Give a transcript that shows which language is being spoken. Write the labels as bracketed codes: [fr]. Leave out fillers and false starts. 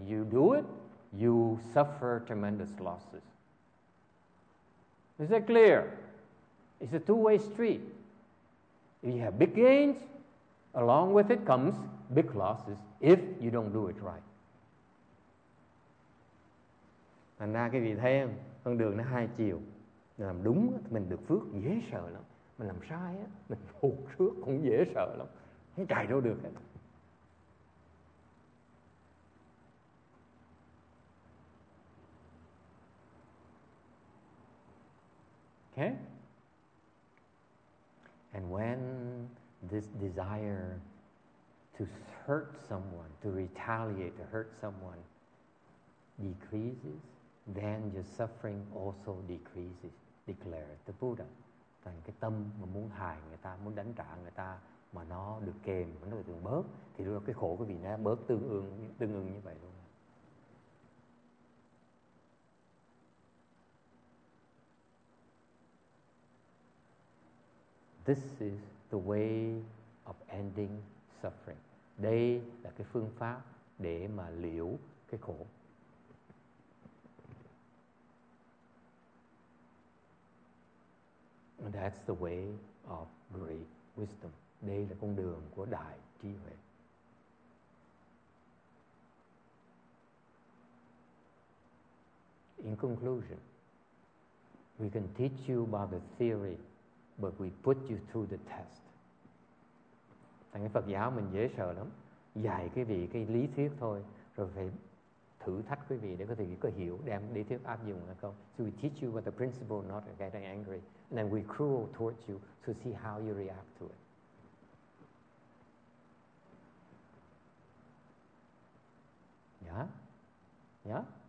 [en] You do it, you suffer tremendous losses. Is that clear? It's a two-way street. If you have big gains, along with it comes big losses if you don't do it right. [vi] Thành ra cái vị thấy không? Con đường nó hai chiều. Làm đúng mình được phước dễ sợ lắm, mình làm sai á mình phục trước cũng dễ sợ lắm, không chạy đâu được hết. [en] Okay. And when this desire to hurt someone, to retaliate, to hurt someone decreases, then your suffering also decreases, declared the Buddha. [vi] Thành cái tâm mà muốn hại người ta, muốn đánh trả người ta mà nó được kềm, nó được từng bớt thì đó cái khổ của vị nó bớt tương ứng như vậy luôn. [en] This is the way of ending suffering. [vi] Đây là cái phương pháp để mà liễu cái khổ. [en] And that's the way of great wisdom. [vi] Đây là con đường của đại trí huệ. [en] In conclusion, we can teach you about the theory, but we put you through the test. [vi] Thành cái Phật giáo mình dễ sợ lắm. Dạy cái vị cái lý thuyết thôi, rồi phải thử thách quý vị để có thể có hiểu đem lý thuyết áp dụng hay không. [en] So we teach you about the principle not to get angry. And then we cruel towards you to see how you react to it. Yeah? Yeah?